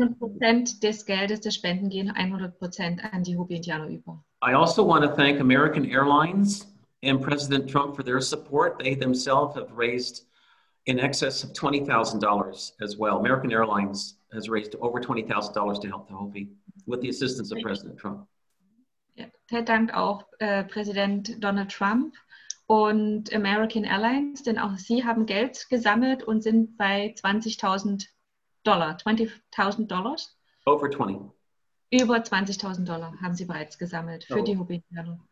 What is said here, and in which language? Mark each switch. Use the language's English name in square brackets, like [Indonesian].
[German] 100% des Geldes der Spenden gehen 100% an die Hopi-Indianer über. [English] I also want to thank American Airlines and President Trump for their support. They themselves have raised in excess of $20,000 as well. American Airlines has raised over $20,000 to help the Hopi with the assistance of President Trump. [German] Ted dankt auch Präsident Donald Trump und American Airlines, denn auch sie haben Geld gesammelt und sind bei $20,000. [English] Over 20. [German] Über $20,000 haben sie bereits gesammelt für die Hobbyinternung.